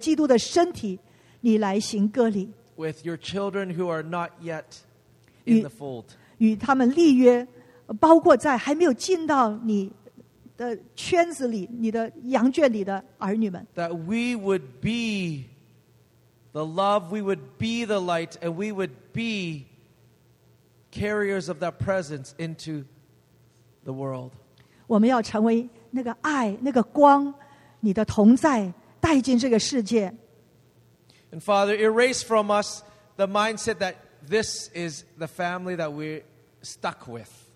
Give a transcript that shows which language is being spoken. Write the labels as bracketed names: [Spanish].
[Chinese] 在我们的心里，我们说与整个基督的身体，你来行割礼。 [English] With your children who are not yet in the fold. [Chinese] 与他们立约，包括在还没有进到你的圈子里、你的羊圈里的儿女们。 [English] That we would be the love, we would be the light, and we would be carriers of that presence into the world. [Chinese] 我们要成为那个爱、那个光、你的同在，带进这个世界。 [English] And Father, erase from us the mindset that this is the family that we're stuck with.